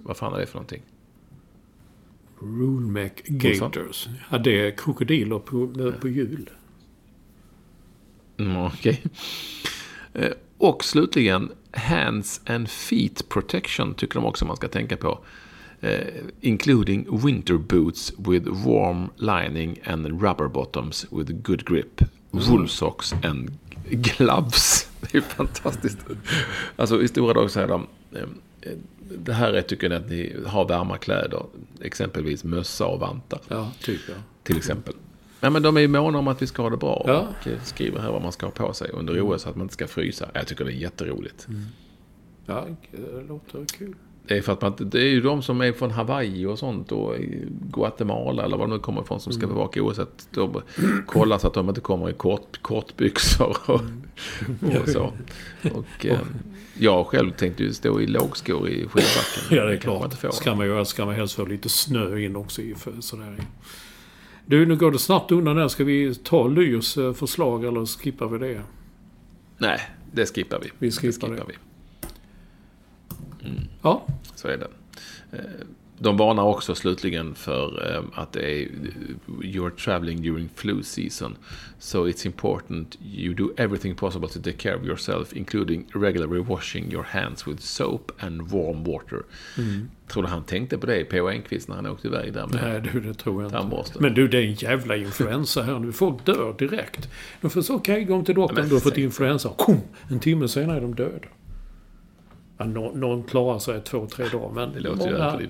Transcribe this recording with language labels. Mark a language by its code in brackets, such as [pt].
[sv] Vad fan är det för någonting? [en] Wool neck gaiters, [sv] ja, det är krokodiler på jul. [en] Okay. [sv] Och slutligen [en] hands and feet protection [sv] tycker de också man ska tänka på. [en] including winter boots with warm lining and rubber bottoms with good grip, wool socks and gloves. [sv] Det är fantastiskt. Alltså i stora dagar så är de, det här är, tycker jag, att ni har varma kläder, exempelvis mössa och vantar. Ja, typ, ja. Till exempel. Ja, men de är ju måna om att vi ska ha det bra, ja. Och skriver här vad man ska ha på sig under OS så att man inte ska frysa. Jag tycker det är jätteroligt. Mm. Ja, det låter kul. Det är, för att man, det är ju de som är från Hawaii och sånt och Guatemala eller vad de kommer ifrån som ska bevaka OS. De kollar så att de inte kommer i kortbyxor och så. Och jag själv tänkte ju stå i lågskor i skidbacken. Ja, det är klart. Man ska, man göra, ska man helst få lite snö in också i sådär. Du, nu går det snabbt undan där. Ska vi ta Lyos förslag eller skippar vi det? Nej, det skippar vi. Vi skippar det. Det. Mm. Ja. Så är det. De varnar också slutligen för att det är [en] you're traveling during flu season. So it's important you do everything possible to take care of yourself, including regularly washing your hands with soap and warm water. [sv] Mm. Tror du han tänkte på det, P.O. Enqvist, när han åkte iväg där med? Nej, du, det tror jag inte. Tandborste. Men du, det är en jävla influensa här nu. Folk dör direkt. De får så okej, gå till doktorn, du har fått influensa. Kom, en timme senare är de döda. Ja, någon klarar sig 2-3 dagar, men det låter många